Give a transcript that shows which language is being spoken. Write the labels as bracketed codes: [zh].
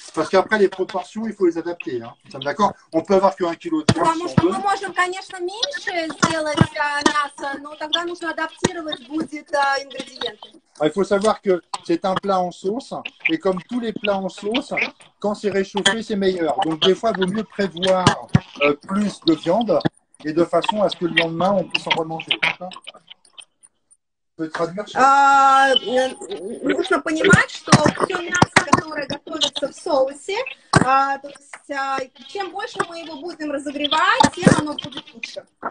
[fr] Parce qu'après, les proportions, il faut les adapter. D'accord? On peut avoir que 1 kg de... [ru] Потому что мы можем, конечно, меньше сделать мясо, но тогда нужно адаптировать будет ингредиенты. [fr] Il faut savoir que c'est un plat en sauce, et comme tous les plats en sauce... Quand c'est réchauffé, c'est meilleur. Donc, des fois, il vaut mieux prévoir plus de viande et de façon à ce que le lendemain, on puisse en remanger. [ru] Нужно понимать, что все мясо, которое готовится в соусе, то есть, чем больше мы его будем разогревать, тем оно будет лучше.